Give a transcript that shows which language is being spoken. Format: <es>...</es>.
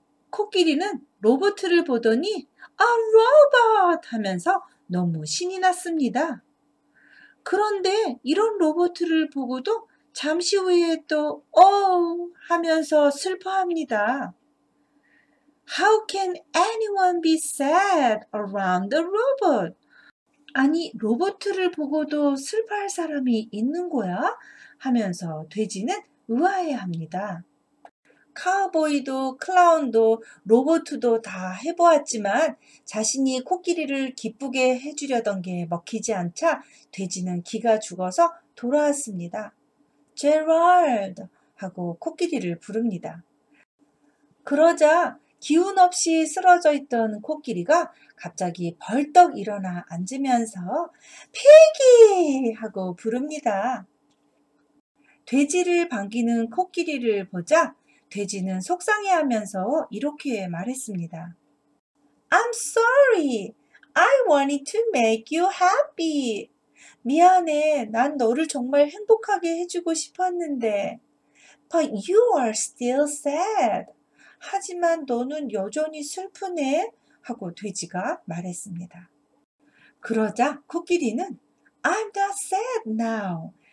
<ko>코끼리는 로봇을 보더니</ko> <en>A robot</en> <ko>하면서 너무 신이 났습니다. 그런데 이런 로봇을 보고도 잠시 후에 또 어우 하면서 슬퍼합니다.</ko> <en>How can anyone be sad around the robot?</en> <ko>아니, 로봇을 보고도 슬퍼할 사람이 있는 거야? 하면서 돼지는 의아해합니다. 카우보이도 클라운도 로봇도 다 해보았지만 자신이 코끼리를 기쁘게 해주려던 게 먹히지 않자 돼지는 기가 죽어서 돌아왔습니다. 제럴드 하고 코끼리를 부릅니다. 그러자 기운 없이 쓰러져 있던 코끼리가 갑자기 벌떡 일어나 앉으면서 피기! 하고 부릅니다. 돼지를 반기는 코끼리를 보자 돼지는 속상해 하면서 이렇게 말했습니다.</ko> <en>I'm sorry. I wanted to make you happy.</en> <ko>미안해. 난 너를 정말 행복하게 해주고 싶었는데.</ko> <en>But you are still sad.</en> <ko>하지만 너는 여전히 슬프네. 하고 돼지가 말했습니다. 그러자 코끼리는</ko> <en>I'm not sad now.</en>